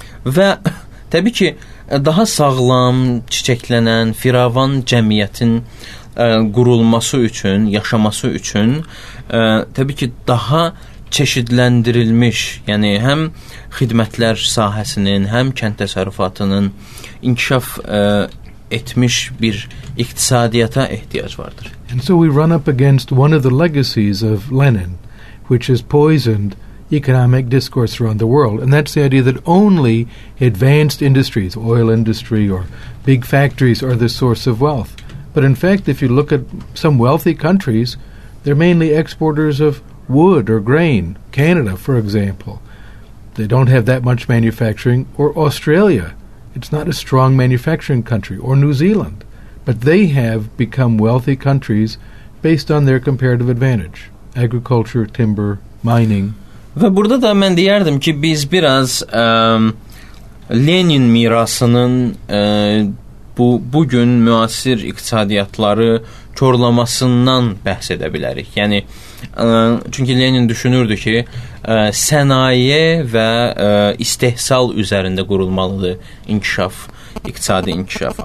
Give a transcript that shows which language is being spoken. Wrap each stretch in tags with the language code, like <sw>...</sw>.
<az>Və təbii ki, daha sağlam, çiçəklənən, firavan cəmiyyətin qurulması üçün, yaşaması üçün təbii ki, daha çeşidləndirilmiş, yəni həm xidmətlər sahəsinin, həm kənd təsərrüfatının inkişaf etmiş bir iqtisadiyyata ehtiyac vardır.</az> <en>And so we run up against one of the legacies of Lenin, which has poisoned economic discourse around the world, and that's the idea that only advanced industries, oil industry or big factories, are the source of wealth. But in fact, if you look at some wealthy countries, they're mainly exporters of wood or grain. Canada, for example, they don't have that much manufacturing. Or Australia, it's not a strong manufacturing country. Or New Zealand, but they have become wealthy countries based on their comparative advantage. Agriculture, timber, mining.</en> <az>Və burada da mən deyərdim ki, biz biraz Lenin mirasının bugün müasir iqtisadiyyatları çorlamasından bəhs edə bilərik. Yəni, çünki Lenin düşünürdü ki, sənaye və istehsal üzərində qurulmalıdır inkişaf, iqtisadi inkişaf.</az>